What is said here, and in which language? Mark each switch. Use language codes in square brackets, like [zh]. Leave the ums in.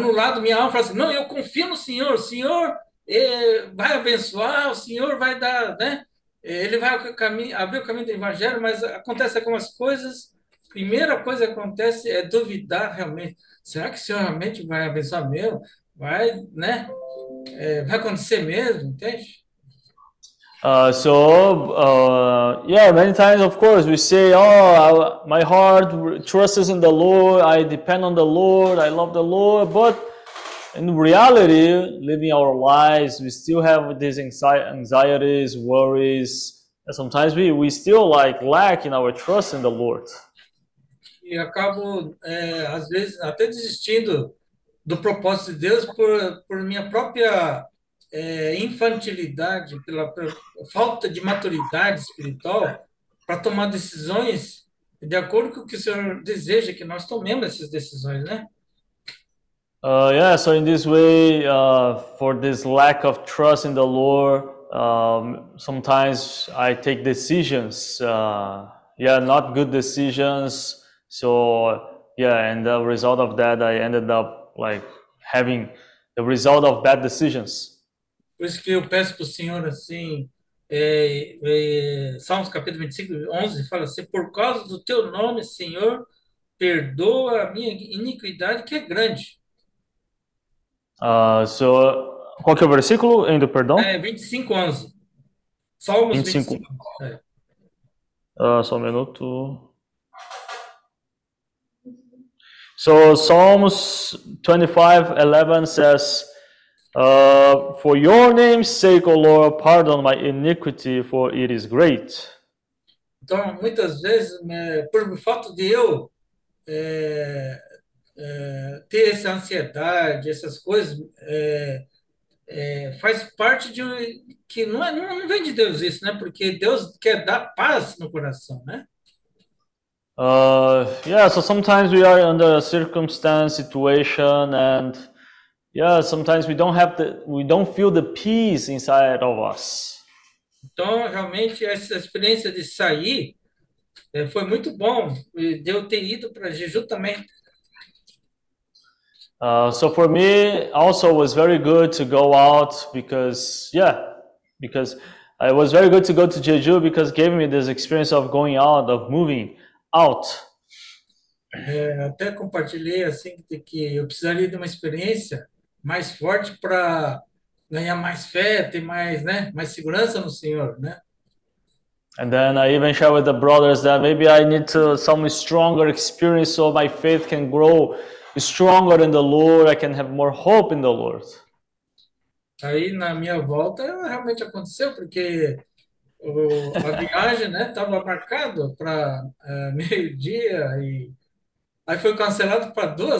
[pt] um lado, minha alma fala assim, não, eu confio no Senhor, o Senhor eh, vai abençoar, o Senhor vai dar, né? Ele vai o caminho, abrir o caminho do Evangelho, mas acontece algumas coisas, primeira coisa que acontece é duvidar realmente será que o senhor realmente vai abençoar mesmo? Vai, né? vai acontecer mesmo, entende? [en] Uh, so, uh, yeah, many times, of course, we say, Oh, I, my heart trusts in the Lord, I depend on the Lord, I love the Lord. But in reality, living our lives, we still have these anxi- anxieties, worries, and sometimes we, we still like lack in our trust in the Lord [pt] e acabo, eh, às vezes, até desistindo do propósito de Deus por, por minha própria eh, infantilidade, pela, falta de maturidade espiritual para tomar decisões de acordo com o que o Senhor deseja que nós tomemos essas decisões, né? [en] Uh, yeah, so in this way, uh, for this lack of trust in the Lord, um, sometimes I take decisions, uh, yeah, not good decisions. So yeah, and the result of that, I ended up like having the result of bad decisions. [pt] Por isso que eu peço para o Senhor assim, é, é, Salmos capítulo 25, 11, fala assim, por causa do teu nome, Senhor, perdoa a minha iniquidade que é grande. Uh, so, qual que é o versículo ainda, perdão? É, 25, 11. Salmos 25. 25 é. uh, só um minuto. [en] So Psalms 25:11 says, uh, "For your name's sake, O Lord, pardon my iniquity, for it is great." [pt] Então, muitas vezes, né, por fato de eu é, é, ter essa ansiedade, essas coisas, é, faz parte de um, que não não vem de Deus isso, né? Porque Deus quer dar paz no coração, né? [en] Uh, yeah, so sometimes we are under a circumstance situation and yeah, sometimes we don't have the we don't feel the peace inside of us. [pt] Então, realmente essa experiência de sair foi muito bom de eu para Jeju também. [en] so for me also was very good to go out because yeah, because it was very good to go to Jeju because gave me this experience of going out, of moving. [pt] alto. É, até compartilhei assim que eu precisaria de uma experiência mais forte para ganhar mais fé, ter mais, né, mais segurança no Senhor, né? [en] And then I even share with the brothers that maybe I need to some stronger experience so my faith can grow stronger in the Lord, I can have more hope in the Lord. [pt] Aí na minha volta realmente aconteceu porque a viagem né estava marcado para é, meio dia e aí foi cancelado para